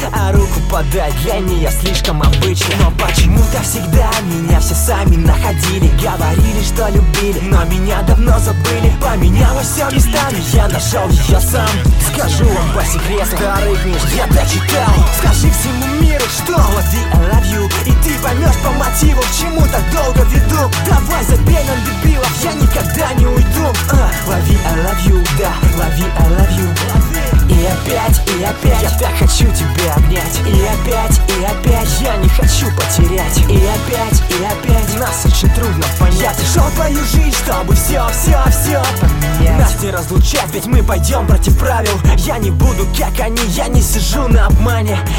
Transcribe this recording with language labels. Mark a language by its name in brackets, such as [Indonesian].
[Russian] А руку подать для нее слишком обычно. Но почему-то всегда меня все сами находили. Говорили, что любили, но меня давно забыли. Поменялось все местами, я нашел ее сам. Скажу вам по секрету, старый книж, я дочитал. Скажи всему миру, что [English] love you, I love you. [Russian] И ты поймешь по мотиву, к чему так долго веду. Давай забей на дебилов, я никогда не уйду. [English] Love you, I love you, [Russian] да, [English] love you, I love you. [Russian] И опять, я так хочу тебя обнять. И опять, я не хочу потерять. И опять, нас очень трудно понять. Я пришел в твою жизнь, чтобы все, все, все поменять. Нас не разлучать, ведь мы пойдем против правил. Я не буду как они, я не сижу на обмане.